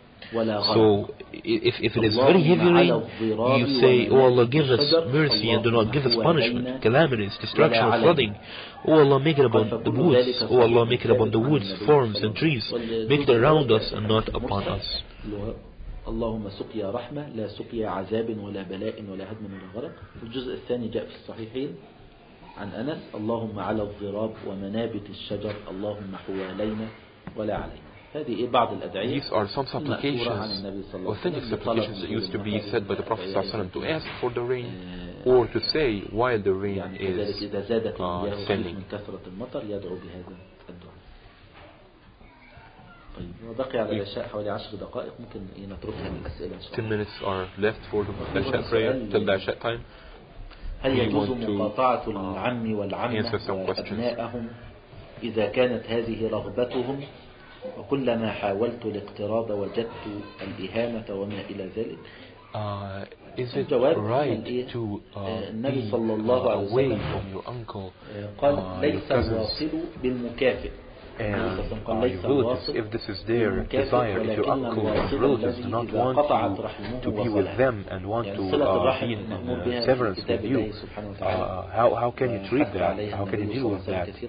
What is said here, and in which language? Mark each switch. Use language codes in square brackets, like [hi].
[en] So if it is very heavy rain, you say, "Oh Allah, give us mercy and do not give us punishment, calamities, destruction or flooding. Oh Allah, make it upon the woods. Oh Allah, make it upon the woods, forms and trees. Make it around us and not upon us." [ar] اللهم سقيا رحمة لا سقيا عذاب ولا بلاء ولا هدم ولا غرق. الجزء الثاني جاء في الصحيحين عن أنس: اللهم على الضراب ومنابت الشجر، اللهم حوالينا ولا علينا. هذه بعض الأدعية. [en] These are some supplications, authentic supplications that used to be said by the Prophet صلى الله عليه وسلم to ask for the rain or to say while the rain is [ar] إذا زادت من كثرة المطر يدعو بهذا الدعاء. بقي على الأشياء حوالي 10 دقائق ممكن نتركها من الأسئلة. [en] 10 minutes are left for the Asha prayer till the Asha time. [ar] هل يجوز مقاطعة العم والعمة أبنائهم إذا كانت هذه رغبتهم؟ وكلما حاولت الاقتراض وجدت الإهانة وما إلى ذلك. [en] Is it right to be away from your uncle? [ar] قال ليس الواصل بالمكافئ. [en] And your relatives, if this is their desire, if your uncle or relatives do not want to be with them and want to be in severance with you, how can you treat that? How can you deal with that?